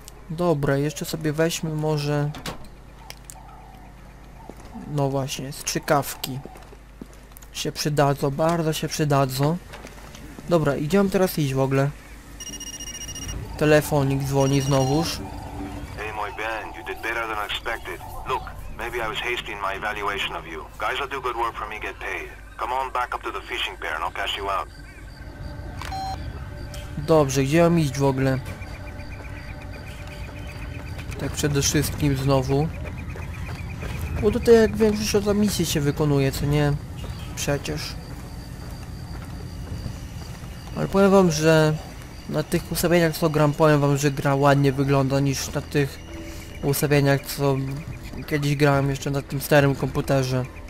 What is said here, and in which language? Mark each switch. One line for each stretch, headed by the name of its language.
Polish: Dobra, jeszcze sobie weźmy może... No właśnie, strzykawki. Się przydadzą, bardzo się przydadzą. Dobra, idziemy teraz iść w ogóle. Telefonik dzwoni znowuż.
English: Hey, my Ben, you did better than expected. Look, maybe I was hasty in my evaluation of you. Guys that do good work for me get paid. Come on back up to the fishing pier and I'll cash you out.
Polish: Dobrze, gdzie mam iść w ogóle? Tak przede wszystkim znowu. Bo tutaj jak większość od misji się wykonuje, co nie? Przecież. Ale powiem wam, że na tych ustawieniach co gram, powiem wam, że gra ładnie wygląda niż na tych ustawieniach co kiedyś grałem jeszcze na tym starym komputerze.